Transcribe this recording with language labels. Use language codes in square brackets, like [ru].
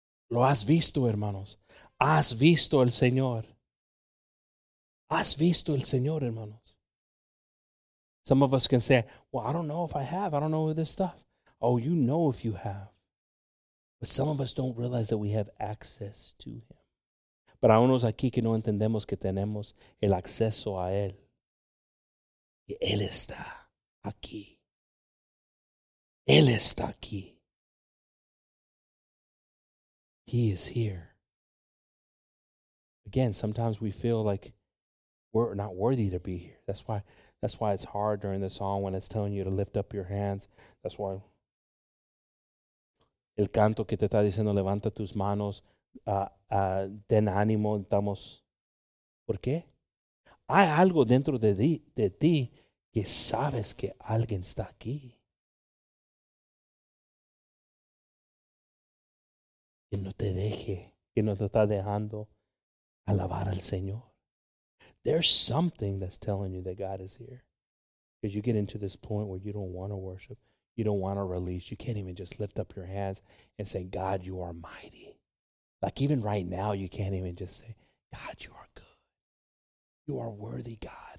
[es] Lo has visto, hermanos. Has visto el Señor. Has visto el Señor, hermanos. [en] Some of us can say, well, I don't know if I have. I don't know this stuff. Oh, you know if you have. But some of us don't realize that we have access to him. [es] Para unos aquí que no entendemos que tenemos el acceso a él. Que él está aquí. Él está aquí. [en] He is here. Again, sometimes we feel like we're not worthy to be here. That's why it's hard during the song when it's telling you to lift up your hands. That's why [es] el canto que te está diciendo levanta tus manos, ten ánimo, estamos. ¿Por qué? Hay algo dentro de ti que sabes que alguien está aquí. Que no te deje, que no te está dejando alabar al Señor. [en] There's something that's telling you that God is here. Because you get into this point where you don't want to worship. You don't want to release. You can't even just lift up your hands and say, God, you are mighty. Like even right now, you can't even just say, God, you are good. You are worthy, God.